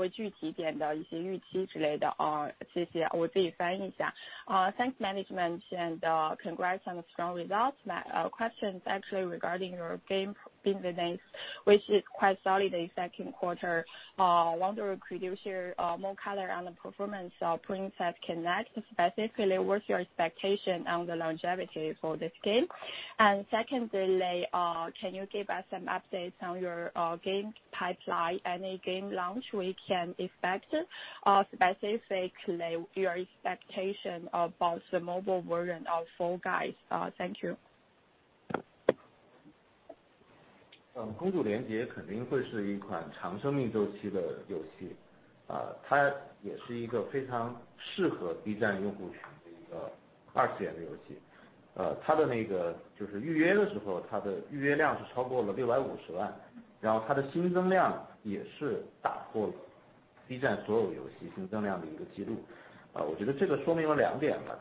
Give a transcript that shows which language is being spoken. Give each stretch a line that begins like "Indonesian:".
Chinese: 微具体点的一些预期之类的啊、谢谢，我自己翻译一下。
English: Thanks management and congrats on the strong results. My question is actually regarding your game business, which is quite solid in second quarter. Wonder could you share more color on the performance of Princess Connect, specifically what's your expectation on the longevity for this game? And secondly, can you give us some updates on your game pipeline, any game launch we can expect, specifically your expectation about the mobile version of Fall Guys? Thank you.
Chinese: 公主连结肯定会是一款长生命周期的游戏，它也是一个非常适合 B 站用户群的一个二次元的游戏，它的那个就是预约的时候，它的预约量是超过了650万，然后它的新增量也是打破了 B 站所有游戏新增量的一个记录，我觉得这个说明了两点吧。